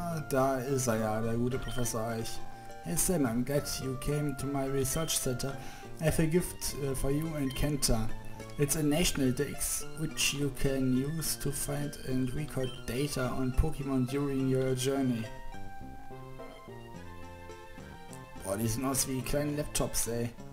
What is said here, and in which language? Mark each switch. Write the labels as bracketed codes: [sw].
[de] Da ist er ja, der gute Professor Eich. [en] Hey Sam, I'm glad you came to my research center. I have a gift for you and Kenta. It's a national dex, which you can use to find and record data on Pokémon during your journey. [de] Boah, die sehen aus wie kleine Laptops, ey.